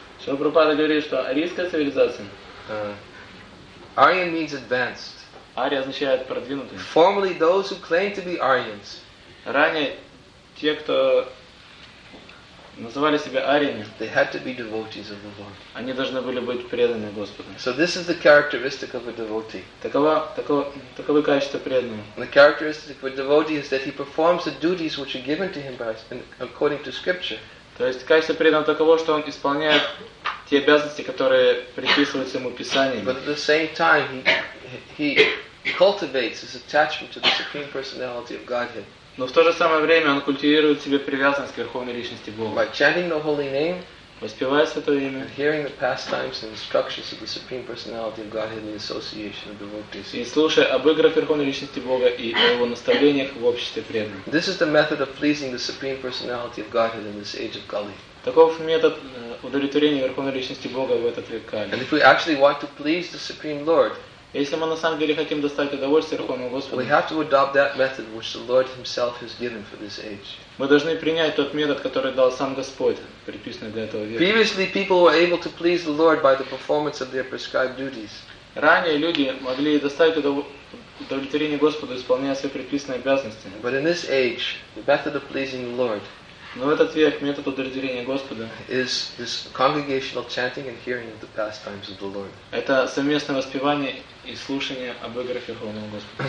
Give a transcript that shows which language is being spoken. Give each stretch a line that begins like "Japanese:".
Russian: Srila Prabhupada говорит, что арийская цивилизация.
English: Aryan means advanced.
Russian: Ария означает продвинутый.
English: Formerly, those who claimed to be Aryans.
Russian: Ранее те, кто называли себя ариями.
English: They had to be devotees of the Lord.
Russian: Они должны были быть преданными Господу.
English: So this is the characteristic of a devotee.
Russian: Таковы качества преданного.
English: The characteristic of a devotee is that he performs the duties which are given to him by according to Scripture.
Russian: То есть качество преданного таково, что он исполняет те обязанности, которые приписываются ему Писанием.
English: But at the same time, he cultivates his attachment to the Supreme Personality of Godhead.
Russian: Но в то же самое время он культивирует себе привязанность к Верховной Личности Бога.
English: By chanting the holy name,
Russian: воспевая Святое Имя,
English: and hearing the pastimes and instructions of the Supreme Personality of Godhead in the association of devotees.
Russian: И слушая об играх Верховной Личности Бога и о его наставлениях в обществе преданных.
English: This is the method of pleasing the Supreme Personality of Godhead in this age of Kali.
Russian: Таков метод удовлетворения Верховной Личности Бога в этот век Кали.
English: And if we actually want to please the Supreme Lord,
Russian: если мы на самом деле хотим доставить удовольствие Верховному Господу,
English: we have to adopt that method which the Lord Himself has given for this age.
Russian: Мы должны принять тот метод, который дал сам Господь, предписанный для этого века.
English: Previously, people were able to please the Lord by the performance of their prescribed duties.
Russian: Ранее люди могли доставить удовлетворение Господу, исполняя свои предписанные обязанности.
English: But in this age, the method of pleasing the Lord.
Russian: Но в этот век метод удовлетворения Господа
English: is congregational chanting and hearing of the pastimes of the Lord.
Russian: Это совместное воспевание и слушание об играх Верховного Господа.